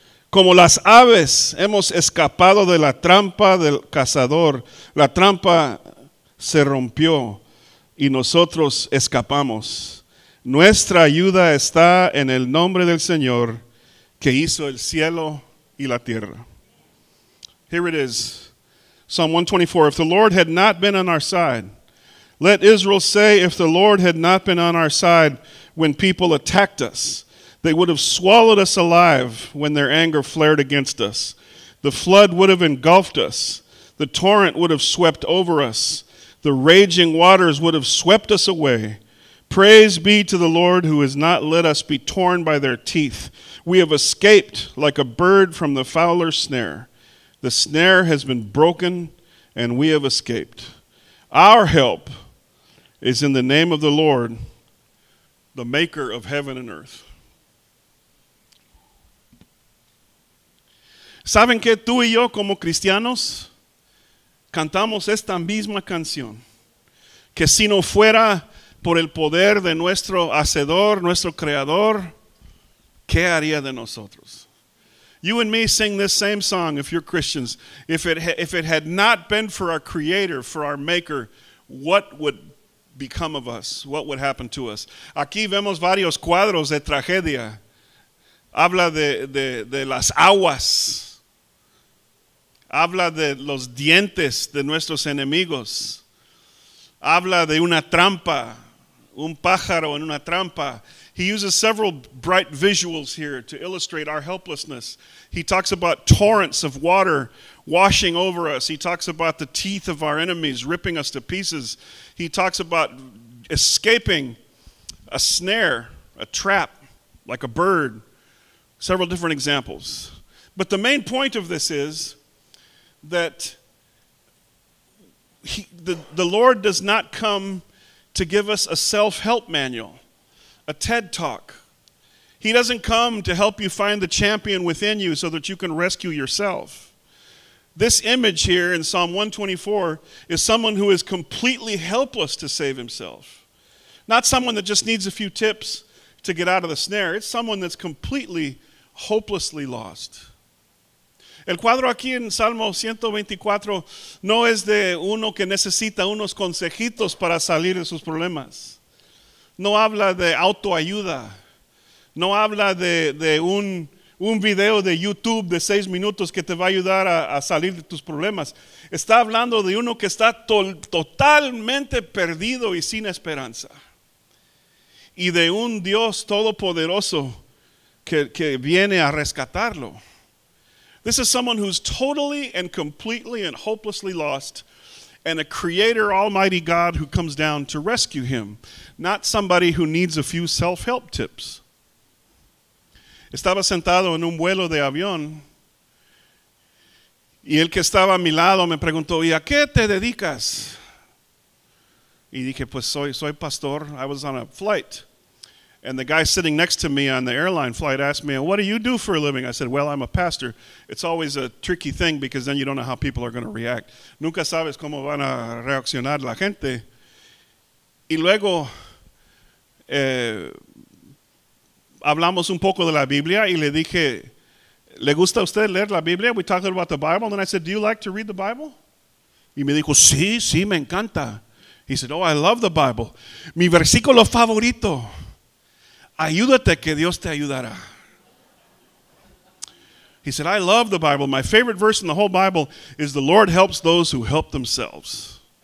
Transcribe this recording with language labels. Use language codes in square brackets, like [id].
[es] Como las aves hemos escapado de la trampa del cazador, la trampa se rompió y nosotros escapamos. Nuestra ayuda está en el nombre del Señor que hizo el cielo y la tierra. [en] Here it is, Psalm 124. If the Lord had not been on our side, let Israel say, if the Lord had not been on our side when people attacked us, they would have swallowed us alive when their anger flared against us. The flood would have engulfed us. The torrent would have swept over us. The raging waters would have swept us away. Praise be to the Lord who has not let us be torn by their teeth. We have escaped like a bird from the fowler's snare. The snare has been broken and we have escaped. Our help is in the name of the Lord, the maker of heaven and earth. [es] ¿Saben que tú y yo como cristianos cantamos esta misma canción? Que si no fuera por el poder de nuestro Hacedor, nuestro Creador, ¿qué haría de nosotros? [en] You and me sing this same song if you're Christians. If it had not been for our Creator, for our Maker, what would become of us? What would happen to us? [es] Aquí vemos varios cuadros de tragedia. Habla de las aguas. Habla de los dientes de nuestros enemigos. Habla de una trampa, un pájaro en una trampa. [en] He uses several bright visuals here to illustrate our helplessness. He talks about torrents of water washing over us. He talks about the teeth of our enemies ripping us to pieces. He talks about escaping a snare, a trap, like a bird. Several different examples. But the main point of this is that the Lord does not come to give us a self-help manual, a TED talk. He doesn't come to help you find the champion within you so that you can rescue yourself. This image here in Psalm 124 is someone who is completely helpless to save himself. Not someone that just needs a few tips to get out of the snare. It's someone that's completely, hopelessly lost. [es] El cuadro aquí en Salmo 124 no es de uno que necesita unos consejitos para salir de sus problemas. No habla de autoayuda. No habla de un video de YouTube de 6 minutos que te va a ayudar a salir de tus problemas. Está hablando de uno que está totalmente perdido y sin esperanza. Y de un Dios todopoderoso que viene a rescatarlo. [en] This is someone who's totally and completely and hopelessly lost, and a Creator Almighty God who comes down to rescue him, not somebody who needs a few self-help tips. [es] Estaba sentado en un vuelo de avión, y el que estaba a mi lado me preguntó, ¿y a qué te dedicas? Y dije, pues soy pastor. [en] I was on a flight. And the guy sitting next to me on the airline flight asked me, what do you do for a living? I said, well, I'm a pastor. It's always a tricky thing because then you don't know how people are going to react. [es] Nunca sabes cómo van a reaccionar la gente. Y luego hablamos un poco de la Biblia y le dije, ¿le gusta usted leer la Biblia? [en] We talked about the Bible. And I said, do you like to read the Bible? [es] Y me dijo, sí, sí, me encanta. [en] He said, oh, I love the Bible. [es] Mi versículo favorito. Ayúdate que Dios te ayudará. [en] He said, I love the Bible. My favorite verse in the whole Bible is the Lord helps those who help themselves.